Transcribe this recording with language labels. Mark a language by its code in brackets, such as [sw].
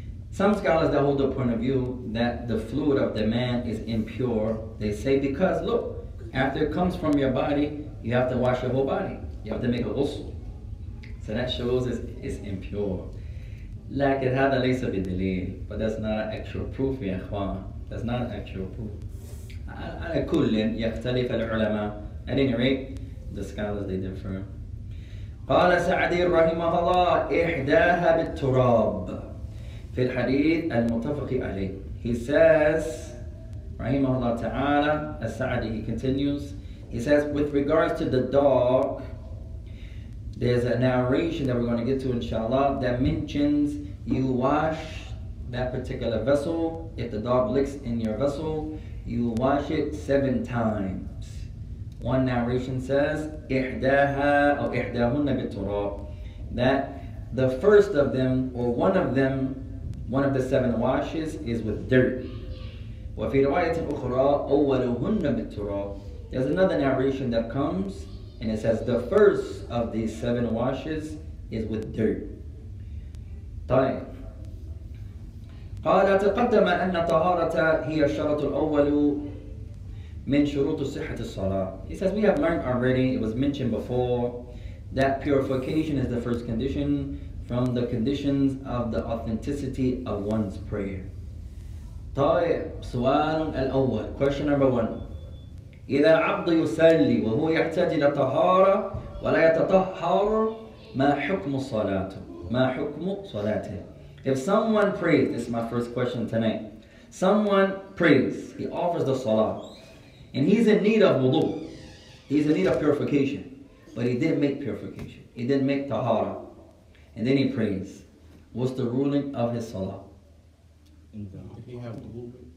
[en] Some scholars that hold the point of view that the fluid of the man is impure, they say because look, after it comes from your body, you have to wash your whole body. You have to make a ghusl. So that shows it's impure. [ar] لَكِنْ هَذَا لَيْسَ بِدْلِيلٍ. [en] But that's not an actual proof, [ar] يا أخوان. [en] That's not an actual proof. [ar] على كل يختلف العلماء. [en] At any rate, the scholars they differ. [ar] قال سعدي رحمه الله إحداها بالتراب في الحديث المتفق عليه. [en] He says, [ar] رحمه الله تعالى, [en] as سعدي he continues, he says, with regards to the dog, there's a narration that we're going to get to inshallah that mentions you wash that particular vessel. If the dog licks in your vessel, you wash it 7 times. One narration says, [ar] إِحْدَاهَا أَوْ إِحْدَاهُنَّ بِالتُرَابِ, [en] that the first of them, or one of them, one of the 7 washes is with dirt. [ar] وَفِي رَوَايَةٍ أُخْرَى أَوَّلُهُنَّ بِالتُرَابِ. [en] There's another narration that comes, and it says, the first of these 7 washes is with dirt. [ar] طيب. قال تقدم أن الطهارة هي الشرط الأول من شروط صحة الصلاة. [en] He says we have learned already, it was mentioned before, that purification is the first condition from the conditions of the authenticity of one's prayer. [ar] طيب سؤال الأول. [en] Question number 1. [ar] إذا العبد يصلي وهو يحتاج إلى طهارة ولا يتطهر ما حكم صلاته؟ ما حكم صلاته؟ [en] If someone prays, this is my first question tonight. Someone prays, he offers the salah, and he's in need of wudu. He's in need of purification, but he didn't make purification. He didn't make tahara, and then he prays. What's the ruling of his salah? Did he have wudu?